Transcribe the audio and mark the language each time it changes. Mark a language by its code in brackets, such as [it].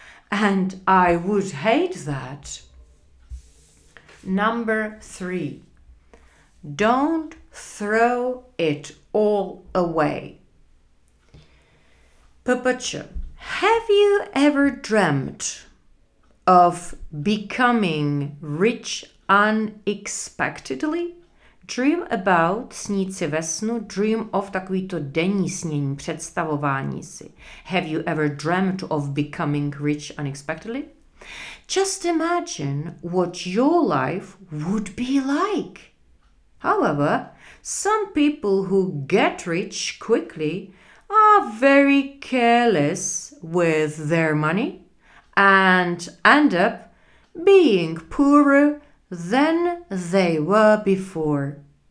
[en] And I would hate that. Number three, don't throw it all away. Papucha, have you ever dreamt of becoming rich unexpectedly? Dream about, [cs] snít si ve snu, [en] dream of [cs] takovýto denní snění, představování si. [en] Have you ever dreamt of becoming rich unexpectedly? Just imagine what your life would be like. However, some people who get rich quickly are very careless with their money and end up being poorer than they were before.